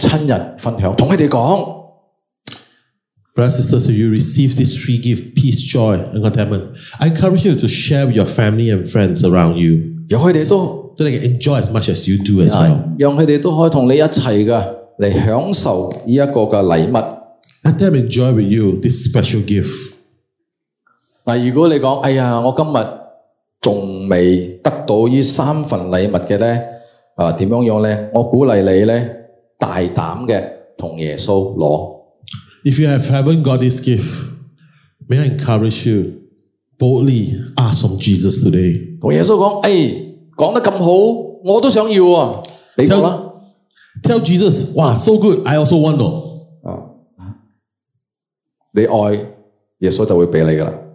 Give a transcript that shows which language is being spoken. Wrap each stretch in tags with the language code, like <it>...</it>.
<zh>我们收到了耶稣给我们的一个平安啊、喜乐啊、和满足之后呢，鼓励大家将这三份礼物都和身边的朋友、和亲人分享，跟他们说。</zh> <en>Brothers and sisters, you receive these three gifts, peace, joy, and contentment. I encourage you to share with your family and friends around you. So they can enjoy as much as you do as well.</en> <zh>让他们都可以和你一起的来享受这个礼物。</zh> <en>Let them enjoy with you this special gift.</en> <zh>如果你说，哎呀，我今天还没得到这三份礼物的，怎么样呢？我鼓励你大胆的和耶稣拿。</zh> <en>If you haven't got this gift, may I encourage you boldly ask from Jesus today.</en> <zh>跟耶稣说，哎，说得这么好，我都想要啊，给我吧。</zh> <en>Tell Jesus, wow, so good, I also want it.</en> <zh>你爱，耶稣就会给你的了。</zh>